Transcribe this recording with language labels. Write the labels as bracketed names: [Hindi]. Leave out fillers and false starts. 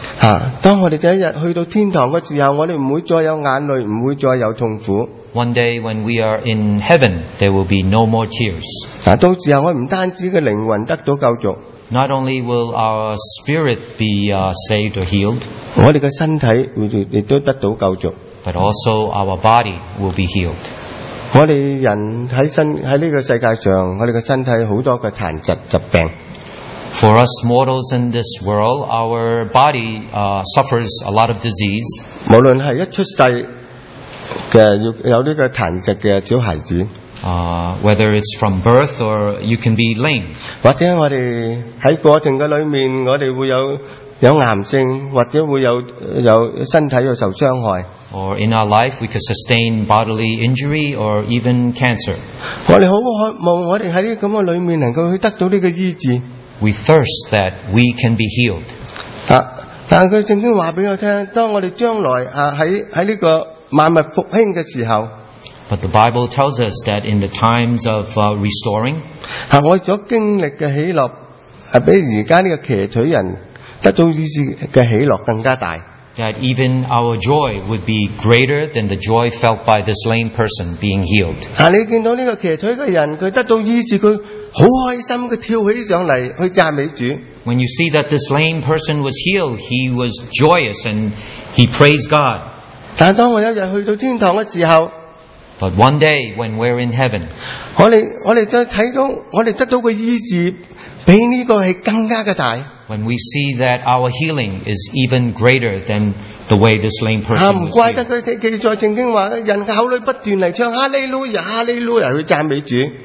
[Chinese] 啊, 当我们第一天去到天堂的时候, 我们不会再有眼泪, 不会再有痛苦, [English] one day when we are in heaven, there will be no more tears. [Chinese] 啊, 到时候, 我们不单止的灵魂得到救赎, [English] not only will our spirit be saved or healed, [Chinese] 我们的身体也得到救赎, [English] but also our body will be healed. [Chinese] 我们人在这个世界上, 我们的身体有很多的残疾疾病, [English] for us mortals in this world, our body suffers a lot of disease. [Chinese] 无论是一出世的有这个残疾的小孩子, [English] Whether it's from birth or you can be lame, [Chinese] 或者我们在过程里面, 我们会有, 有癌症, 或者会有, 有, 身体有受伤害, [English] or in our life we could sustain bodily injury or even cancer. [Chinese] 我们很渴望我们在这样的里面能够去得到这个医治, [English] we thirst that we can be healed. [Chinese] 啊, 但他正经告诉我们, 当我们将来, 啊, 在这个万物复兴的时候, [English] but the Bible tells us that in the times of restoring, [Chinese] 啊, 我所经历的喜乐, 比现在的瘸腿人得到医治的喜乐更加大, [English] that even our joy would be greater than the joy felt by this lame person being healed. [Chinese] 啊, 你看到这个瘸腿的人, 他得到医治, 他很开心地跳起上来去赞美主, [English] when you see that this lame person was healed, he was joyous and he praised God. [Chinese] 但当我有一天去到天堂的时候, [English] But one day when we're in heaven, when we see that our healing is even greater than the way this lame person was healed.